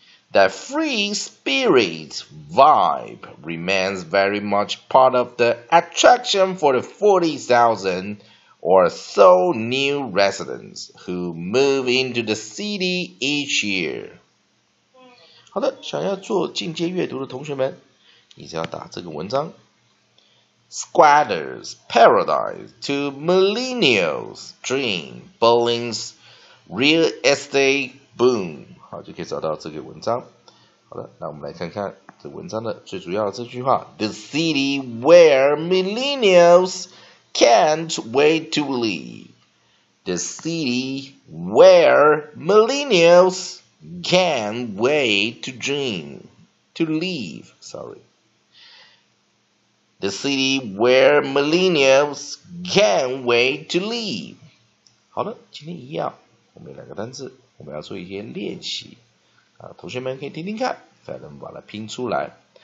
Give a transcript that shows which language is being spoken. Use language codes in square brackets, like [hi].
[en] That free spirit vibe remains very much part of the attraction for the 40,000 or so new residents who move into the city each year. [zh] 好的，想要做进阶阅读的同学们，你只要打这个文章。 [en] Squatter's Paradise to Millennials Dream Berlin'sReal Estate Boom， [zh] 好，就可以找到这个文章。好的，那我们来看看这文章的最主要的这句话 ： [en] The city where millennials can't wait to leave. The city where millennials can't wait to dream to leave. Sorry. The city where millennials can't wait to leave. [zh] 好的，今天一样。我们有两个单字，我们要做一些练习啊，同学们可以听听看，才能把它拼出来。